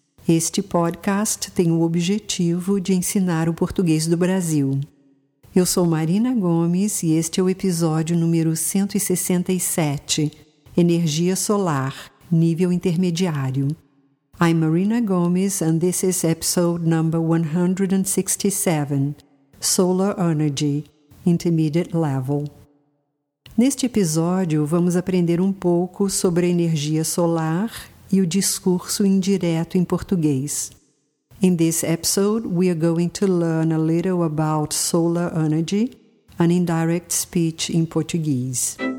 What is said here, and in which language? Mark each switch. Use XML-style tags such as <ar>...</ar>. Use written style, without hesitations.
<pt>Este podcast tem o objetivo de ensinar o português do Brasil. Eu sou Marina Gomes e este é o episódio número 167, Energia Solar, Nível Intermediário.</pt> <en>I'm Marina Gomes and this is episode number 167, Solar Energy, Intermediate Level.</en> <pt>Neste episódio, vamos aprender um pouco sobre a energia solar e o discurso indireto em português.</pt> <en>In this episode, we are going to learn a little about solar energy, an indirect speech in Portuguese.</en>